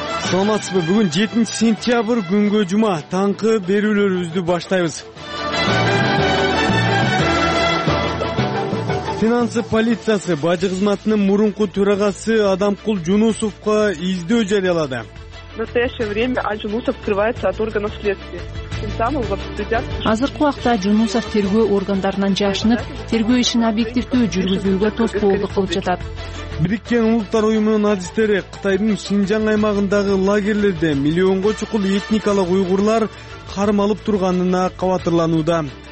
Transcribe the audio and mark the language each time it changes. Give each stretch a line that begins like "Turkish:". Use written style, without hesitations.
Kyrgyz: Саламатсызбы, бүгүн 7-сентябрь күнгө жума, таңкы берүүлөрүбүздү баштайбыз. Финансы полициясы бажы кызматынын мурунку төрагасы Адамкул Жунусовго издөө жарыялады.
Russian: В настоящее время Аджунусов скрывается от органов следствия. Тем самым вот следят.
Kyrgyz: Азыркы уакта Жунусов тергөө органдарынан жашынып, тергөө ишин объективдүү жүргүзүүгө тоскоолдук кылып жатат. Бириккен улуттар уюмунун адистери Кытайдын Синжан аймагындагы лагерлерде миллионго чукул этникалык уйгурлар кармалып турганына кабатырланууда.